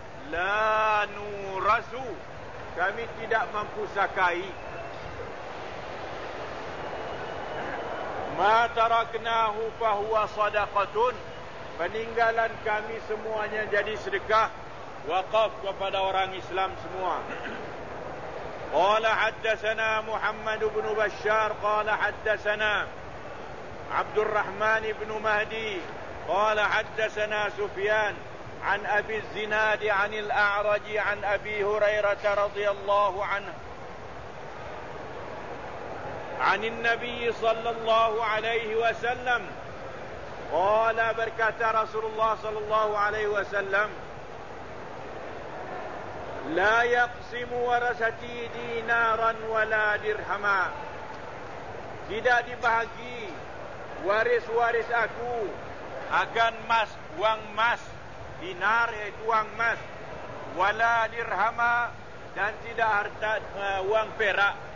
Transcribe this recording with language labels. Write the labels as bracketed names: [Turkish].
[Arabic] لا نورس, [Malay] kami tidak mempusakai, [Arabic] ما تركناه فهو صدقة, [Malay] peninggalan kami semuanya jadi sedekah. Waqaf kepada orang Islam semua. [Arabic] Qala haddasana Muhammad ibn Bashar qala haddasana عبد الرحمن بن مهدي قال حدثنا سفيان عن أبي الزناد عن الأعرج عن أبي هريرة رضي الله عنه عن النبي صلى الله عليه وسلم قال بركة رسول الله صلى الله عليه وسلم لا يقسم ورثتي دينارا ولا درهما. [Malay] Tidak dibahagi waris-waris aku akan emas, uang emas, dinar yaitu uang emas, [Arabic] wala dirhama [Malay] dan tidak harta uang perak.